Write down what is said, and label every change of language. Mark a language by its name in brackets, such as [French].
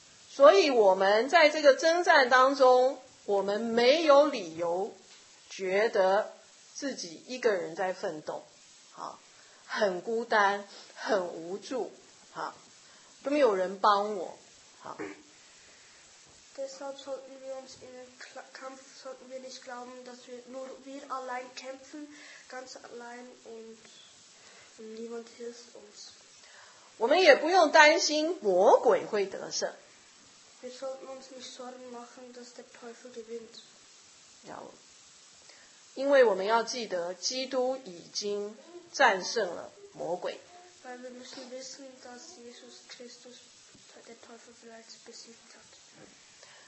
[Chinese] 所以我们在这个征战当中，我们没有理由觉得自己一个人在奋斗，好，很孤单很无助，好，都没有人帮我，好。 [German] Deshalb sollten wir uns in den Kampf sollten wir nicht glauben, dass wir nur wir allein kämpfen, ganz allein und niemand hilft uns. [Chinese] 我们也不用担心魔鬼会得胜。 [German] Wir sollten uns nicht Sorgen machen, dass der Teufel gewinnt. [Chinese] 因为我们要记得，基督已经战胜了魔鬼。 [German] Weil wir müssen wissen, dass Jesus Christus der Teufel bereits besiegt hat.